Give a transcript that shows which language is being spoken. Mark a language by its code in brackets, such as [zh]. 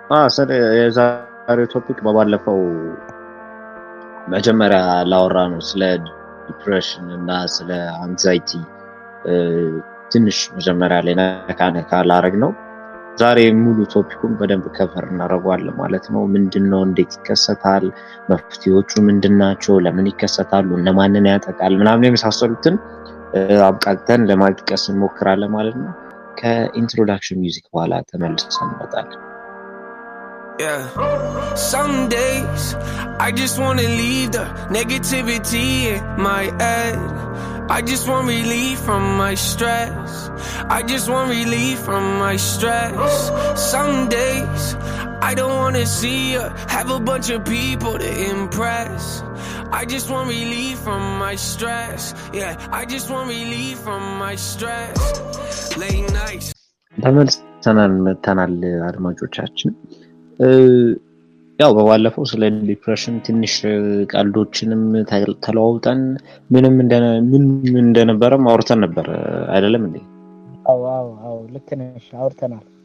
[am] ስለ የዛሬው ቶፒክ በባለፈው መጀመሪያ ላወራ ነው ስለ ዲፕሬሽን እና ስለ አንዛይቲ ትንሽ መጀመሪያ ላይ ነካ ነካ ላረግ ነው። ዛሬ ሙሉ ቶፒኩን በደንብ ከቨር እናደርጓለን ማለት ነው። ምንድን ነው? እንዴት ይከሰታል? መፍትሄዎቹ ምንድን ናቸው? ለምን ይከሰታሉ? እነማንን ያጠቃል? ምናምን የመሳሰሉትን አብቃተን ለማጥቀስ እንሞክራለን ማለት ነው። ከኢንትሮዳክሽን ሚውዚክ በኋላ ተመልሰን እንመጣለን። Yeah. [en] Some days I just wanna leave the negativity in my head. I just want relief from my stress. I just want relief from my stress. Some days I don't wanna see or have a bunch of people to impress. I just want relief from my stress. Yeah, I just want relief from my stress. Late nights. [am] ተመልሰናል አድማጮቻችን። ያው በባለፈው ስለ ዲፕሬሽን ትንሽ ቀልዶችንም ተለዋውጠን ምን እንደነበረ አውርተን ነበር አይደለም እንዴ? አዎ አዎ አዎ ልክ ነሽ፣ አውርተናል።